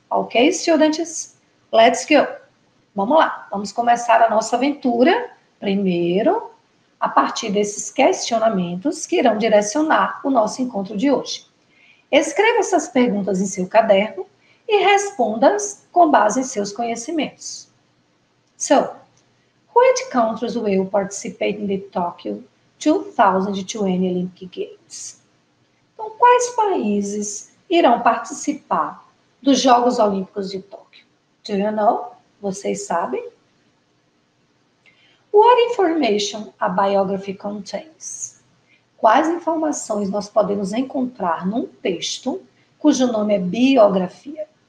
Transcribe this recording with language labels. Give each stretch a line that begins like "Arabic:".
English: Ok, students? Let's go!
Portuguese: Vamos lá, vamos começar a nossa aventura primeiro a partir desses questionamentos que irão direcionar o nosso encontro de hoje. Escreva essas perguntas em seu caderno e responda-as com base em seus conhecimentos.
English: So, which countries will participate in the Tokyo 2020 Olympic Games?
Portuguese: Então, quais países irão participar dos Jogos Olímpicos de Tóquio?
English: Do you know?
Portuguese: Vocês sabem?
English: What information a biography contains?
Portuguese: Quais informações nós podemos encontrar num texto cujo nome é biografia?